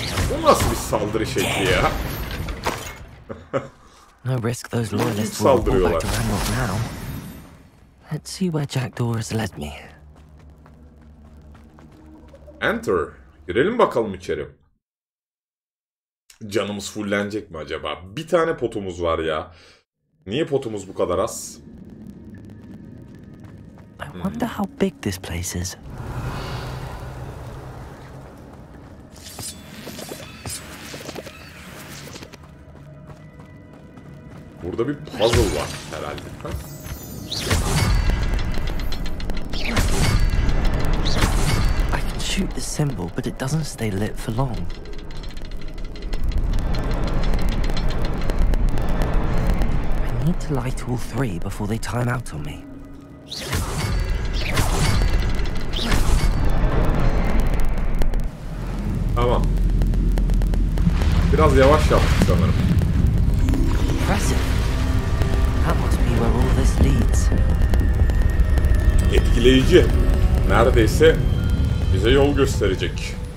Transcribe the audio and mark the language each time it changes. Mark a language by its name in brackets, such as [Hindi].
[Turkish] Bu nasıl bir saldırı şekli ya? [English] No risk, those loyalists will go back to Randolph now. Let's see where Jackdaw has led me. [Turkish] Enter. Girelim bakalım içeri. Canımız fullenecek mi acaba? Bir tane potumuz var ya. Niye potumuz bu kadar az? [English] I wonder how big this place is. [Turkish] Burada bir puzzle var herhalde. Ha? [English] I can shoot the symbol, but it doesn't stay lit for long. need to light all three before they time out on me. [Turkish] Tamam. Biraz yavaş yaptık sanırım. [English] Impressive. That must be where all this leads. [Turkish] Etkileyici. Neredeyse bize yol gösterecek.